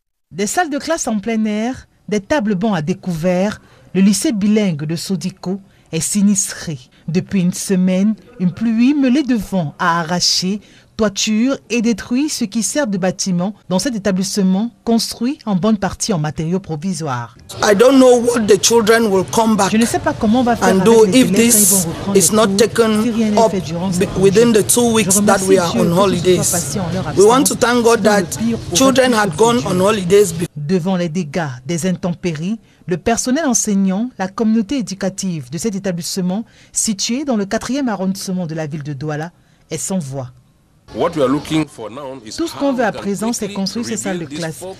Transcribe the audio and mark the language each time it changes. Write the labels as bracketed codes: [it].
[fr] Des salles de classe en plein air, des tables bancs à découvert, le lycée bilingue de Sodiko est sinistré. Depuis une semaine, une pluie mêlée de vent a arraché toiture et détruit ce qui sert de bâtiment dans cet établissement construit en bonne partie en matériaux provisoires. [en] I don't know what the children will come back. [fr] Je ne sais pas comment on va faire [en] and if this is not taken up within the 2 weeks that we are on holidays. We want to thank God that children had gone on holidays. [fr] Devant les dégâts des intempéries, le personnel enseignant, la communauté éducative de cet établissement situé dans le 4e arrondissement de la ville de Douala est sans voix. Tout ce qu'on veut à présent, c'est construire ces salles de classe.